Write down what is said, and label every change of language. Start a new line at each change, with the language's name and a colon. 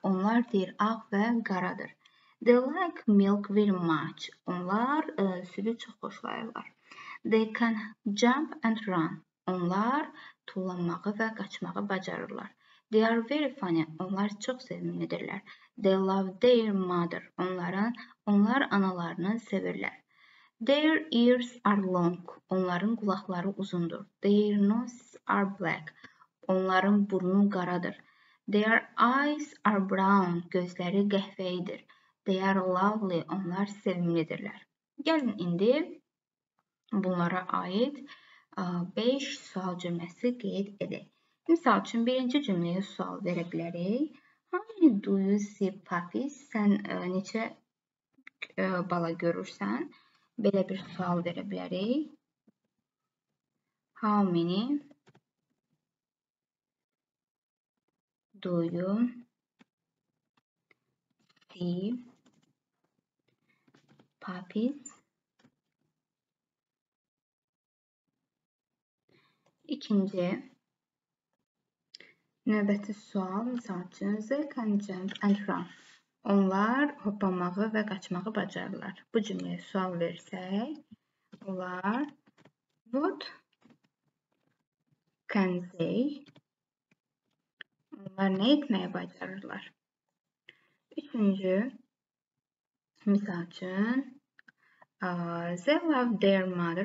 Azerbaijani: Onlar deyir, ağ və qaradır.
English: They like milk very much.
Azerbaijani: Onlar südü çox xoşlayırlar.
English: They can jump and run.
Azerbaijani: Onlar tullanmağı və qaçmağı bacarırlar.
English: They are very funny.
Azerbaijani: Onlar çox sevimlidirlər.
English: They love their mother.
Azerbaijani: Onlar analarını sevirlər.
English: Their ears are long.
Azerbaijani: Onların qulaqları uzundur.
English: Their noses are black.
Azerbaijani: Onların burnu qaradır.
English: Their eyes are brown.
Azerbaijani: Gözləri qəhvəyidir.
English: They are lovely.
Azerbaijani: Onlar sevimlidirlər. Gəlin indi bunlara aid 5 sual cümləsi qeyd edək. Misal üçün, birinci cümləyə sual verə bilərik.
English: How many do you see puppies?
Azerbaijani: Sən neçə bala görürsən? Belə bir sual verə bilərik.
English: How many do you see puppies?
Azerbaijani: İkinci növbəti sual, misal üçün,
English: they can jump and run.
Azerbaijani: Onlar hoppamağı və qaçmağı bacarırlar. Bu cümləyə sual versək, onlar
English: what can they?
Azerbaijani: Onlar nə etməyə bacarırlar? Üçüncü, misal üçün,
English: they love their mother.